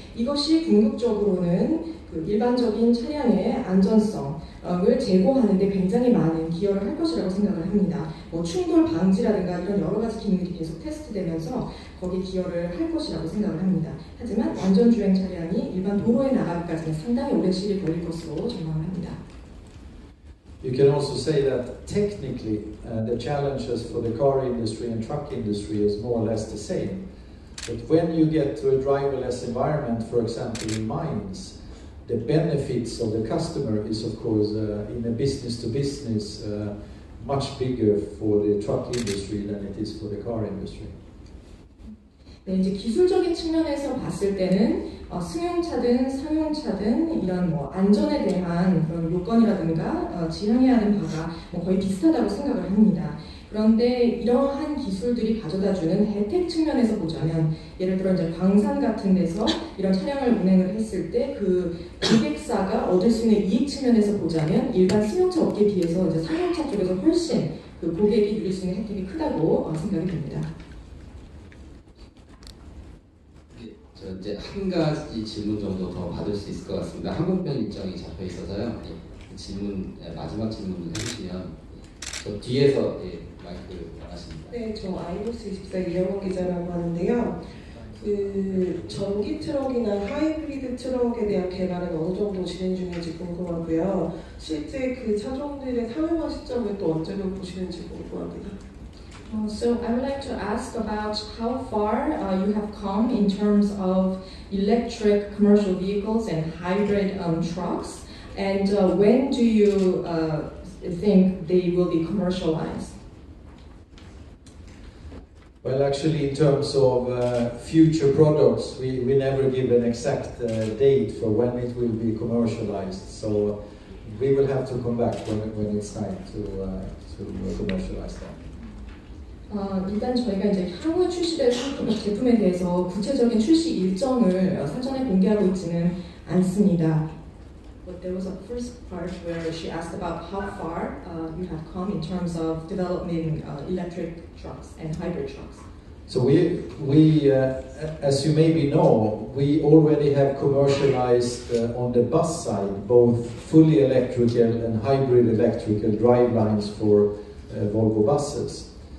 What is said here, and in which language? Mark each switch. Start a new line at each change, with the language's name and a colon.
Korean: 이것이 궁극적으로는 그 일반적인 차량의 안전성을 제고하는 데 굉장히 많은 기여를 할 것이라고 생각을 합니다. 뭐 충돌 방지라든가 이런 여러 가지 기능들이 계속 테스트되면서 거기에 기여를 할 것이라고 생각을 합니다. 하지만 완전 주행 차량이 일반 도로에 나가기까지는 상당히 오랜 시일이 걸릴 것으로 전망을 합니다.
English: You can also say that technically the challenges for the car industry and truck industry is more or less the same. But when you get to a driverless environment, for example in mines, the benefits of the customer is of course in a business to business much bigger for the truck industry than it is for the car industry.
Korean: 네, 이제 기술적인 측면에서 봤을 때는 승용차든 상용차든 이런 뭐 안전에 대한 그런 요건이라든가 지향해야 하는 바가 뭐 거의 비슷하다고 생각을 합니다. 그런데 이러한 기술들이 가져다주는 혜택 측면에서 보자면, 예를 들어 이제 광산 같은 데서 이런 차량을 운행을 했을 때 그 고객사가 얻을 수 있는 이익 측면에서 보자면 일반 승용차 업계 비해서 이제 상용차 쪽에서 훨씬 그 고객이 누릴 수 있는 혜택이 크다고 생각이 됩니다. 저 이제 한 가지 질문 정도 더 받을 수 있을 것 같습니다. 항공편 일정이 잡혀 있어서요. 질문 마지막 질문을 해주시면 저 뒤에서 마이크를 받았습니다. 네, 저 아이보스 24 이영원 기자라고 하는데요. 그 전기 트럭이나 하이브리드 트럭에 대한 개발은 어느 정도 진행 중인지 궁금하고요. 실제 그 차종들의 상용화 시점을 또 언제로 보시는지 궁금합니다.
English: So I would like to ask about how far you have come in terms of electric commercial vehicles and hybrid trucks. And when do you think they will be commercialized? Well, actually, in terms of future products, we never give an exact date for when it will be commercialized. So we will have to come back when it's time to commercialize them.
Korean: 일단 저희가 이제 향후 출시될 제품에 대해서 구체적인 출시 일정을 사전에 공개하고 있지는 않습니다.
English: But there was a first part where she asked about how far you have come in terms of developing electric trucks and hybrid trucks. So we as you maybe know, we already have commercialized on the bus side both fully electrical and hybrid electrical drivelines for Volvo buses.